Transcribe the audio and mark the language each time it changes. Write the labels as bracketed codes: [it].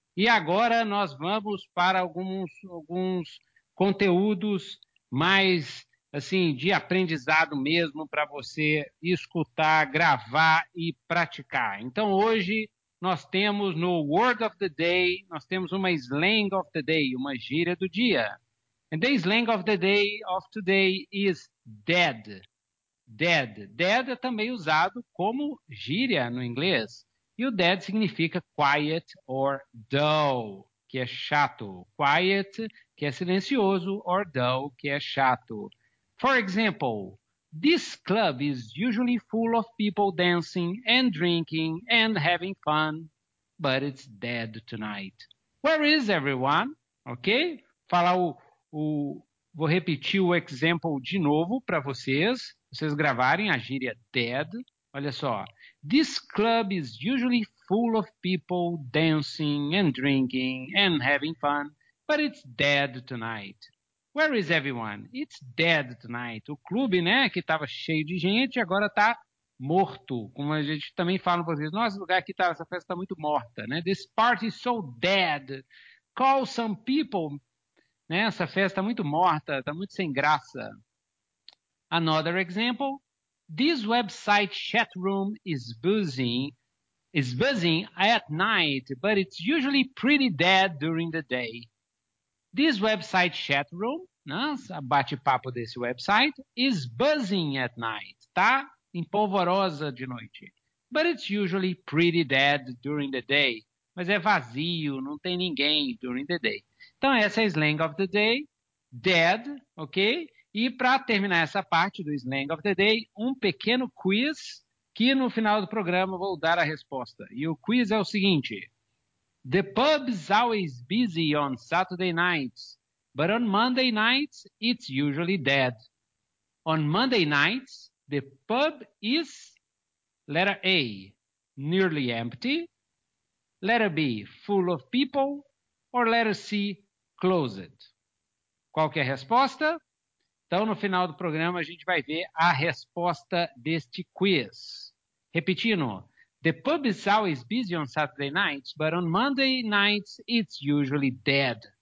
[pt] E agora nós vamos para alguns conteúdos mais assim de aprendizado mesmo para você escutar, gravar e praticar. Então, hoje nós temos no Word of the Day, nós temos uma slang of the day, uma gíria do dia. [en] And the slang of the day of today is dead. Dead. [pt] Dead é também usado como gíria no inglês. E o dead significa [en] quiet or dull, [pt] que é chato. [en] Quiet, [pt] que é silencioso, [en] or dull, [pt] que é chato. [en] For example, this club is usually full of people dancing and drinking and having fun, but it's dead tonight. Where is everyone? Ok? [pt] Vou repetir o example de novo para vocês gravarem a gíria dead. Olha só. [en] This club is usually full of people dancing and drinking and having fun, but it's dead tonight. Where is everyone? It's dead tonight. [pt] O clube, né, que estava cheio de gente, agora está morto. Como a gente também fala para vocês, nosso lugar aqui, tá, essa festa está muito morta. [en] Né? This party is so dead. Call some people. Né? [pt] Essa festa está muito morta, está muito sem graça. [en] Another example. This website chat room is buzzing at night, but it's usually pretty dead during the day. This website chat room, né, [pt] bate-papo desse website, [en] is buzzing at night, tá? [pt] Em polvorosa de noite. [en] But it's usually pretty dead during the day. [pt] Mas é vazio, não tem ninguém [en] during the day. [pt] Então, essa é a slang of the day, dead, ok? E para terminar essa parte do slang of the day, um pequeno quiz que no final do programa vou dar a resposta. E o quiz é o seguinte. [en] The pub's always busy on Saturday nights, but on Monday nights, it's usually dead. On Monday nights, the pub is, letter A, nearly empty, letter B, full of people, or letter C, closed. [pt] Qual que é a resposta? Então, no final do programa, a gente vai ver a resposta deste quiz. Repetindo. [en] The pub is always busy on Saturday nights, but on Monday nights, it's usually dead.